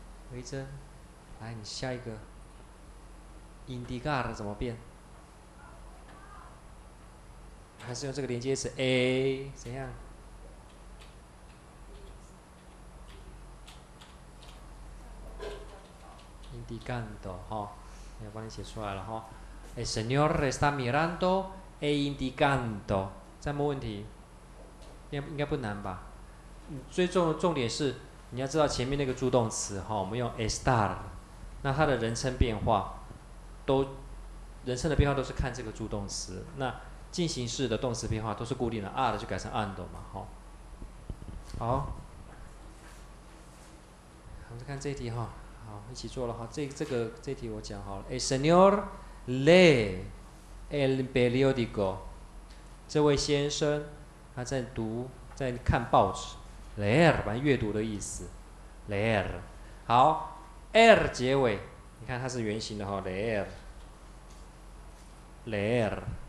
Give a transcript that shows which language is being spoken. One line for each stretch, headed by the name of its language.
Chinese: 何一真，来，你下一个 ，indicar 怎么变？还是用这个连接词 a 怎样？ Indicando 哈，我帮你写出来了哈。
Spanish: El señor está mirando e indicando，
Chinese: 再没问题，应该不难吧？最重点是你要知道前面那个助动词哈，我们用 estar， 那它的人称变化都人称的变化都是看这个助动词，那进行式的动词变化都是固定的 ，are 就改成 ando 嘛，哈。好，我们再看这一题哈。好，一起做了哈。这题我讲好了。
Spanish: El señor lee el periódico。
Chinese: 这位先生他在读，在看报纸。 Leer， 反正阅读的意思。
Spanish: Leer。
Chinese: 好 ，er 结尾，你看它是圆形的哈。
Spanish: Leer。 Leer。